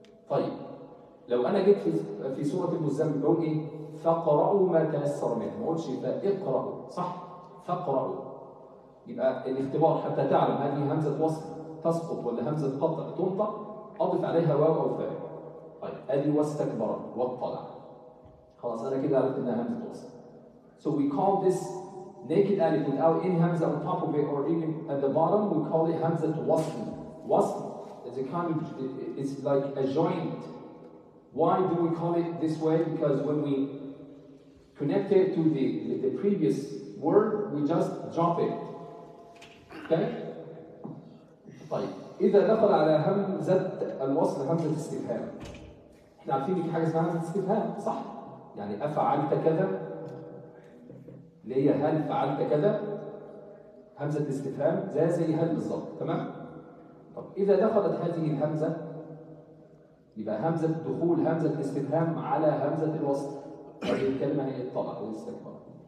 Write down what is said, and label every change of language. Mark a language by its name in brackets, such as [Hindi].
[Arabic] طيب لو أنا جيت في سورة المزمل بقول إيه؟ فقرأوا ما تيسر منه، ما أقولش فاقرأوا صح؟ فقرأوا، يبقى الاختبار حتى تعلم هذه همزة وصل تسقط ولا همزة قطع تنطق أضف عليها واو أو فاء. طيب أدي واستكبر واطلع، خلاص أنا كده عرفت إنها همزة وصل. [English] So we call this naked alif without any hamza on top of it or even at the bottom, we call it hamza wasl. Wasl is a kind of, it's like a joint. Why do we call it this way? Because when we connect it to the previous word, we just drop it. Okay? [Arabic] طيب إذا دخل على همزة الوصل همزة الاستفهام، إحنا عارفين في حاجة اسمها همزة الاستفهام صح؟ يعني أفعلت كذا، اللي هي هل فعلت كذا، همزة الاستفهام زي هل بالظبط تمام؟ طب إذا دخلت هذه الهمزة يبقى همزة دخول همزة الاستفهام على همزة الوصل، هذه الكلمة هي اطلع واستكبر.